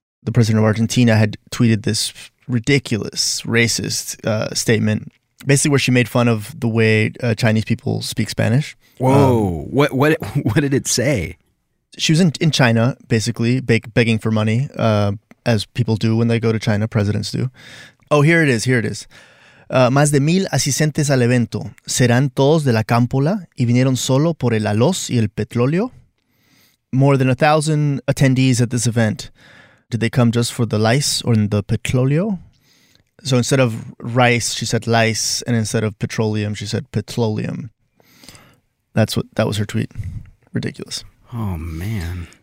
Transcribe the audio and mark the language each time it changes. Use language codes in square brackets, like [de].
[en] the president of Argentina had tweeted this ridiculous, racist statement, basically where she made fun of the way Chinese people speak Spanish. Whoa, what did it say? She was in China, basically, begging for money, as people do when they go to China, presidents do. Oh, here it is. [es] Más de 1,000 asistentes al evento serán todos de la cámpola y vinieron solo por el arroz y el petróleo. [en] More than 1,000 attendees at this event. Did they come just for the lice or the petróleo? So instead of rice, she said lice, and instead of petroleum, she said petroleum. That was her tweet. Ridiculous. Oh, man.